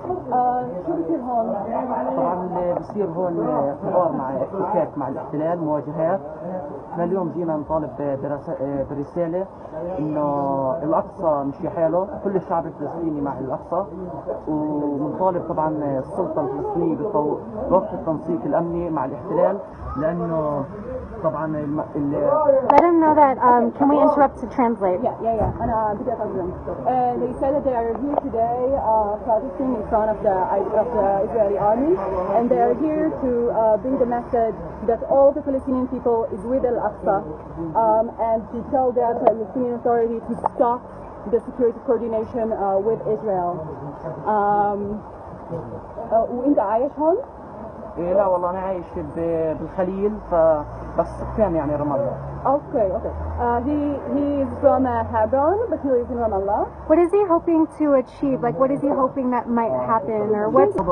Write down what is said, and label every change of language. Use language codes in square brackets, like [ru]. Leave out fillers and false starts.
[ar] طبعا بصير هون حوار مع الحكاك مع الاحتلال مواجهات احنا اليوم جينا نطالب برساله انه الاقصى مش حاله كل الشعب الفلسطيني مع الاقصى ومنطالب طبعا السلطه الفلسطينيه بوقف التنسيق الامني مع الاحتلال لانه طبعا [en] I didn't know that. Can we interrupt to translate? They said that they are here today protesting in front of the Israeli army, and they are here to bring the message that all the Palestinian people is with Al-Aqsa, and to tell the Palestinian Authority to stop the security coordination with Israel. [ar] وانت عايش هون؟ إيه لا والله أنا عايش بالخليل فبس كان يعني رام الله. [en] Okay. He is from Hebron, but he lives in Ramallah. What is he hoping to achieve? Like, what is he hoping that might happen, or what?